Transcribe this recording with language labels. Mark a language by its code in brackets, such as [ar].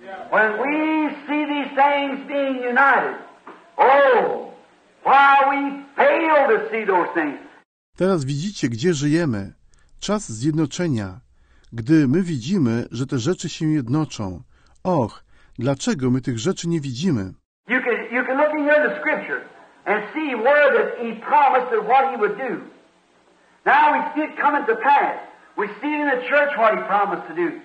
[en] When we see these things being united, oh, why we fail to see those things. [pl] Teraz widzicie, gdzie żyjemy. Czas zjednoczenia. Gdy my widzimy, że te rzeczy się jednoczą. Och, dlaczego my tych rzeczy nie widzimy? [en] You can look in here in the scripture and see where that he promised and what he would do. Now we see it coming to pass. We see it in the church what he promised to do.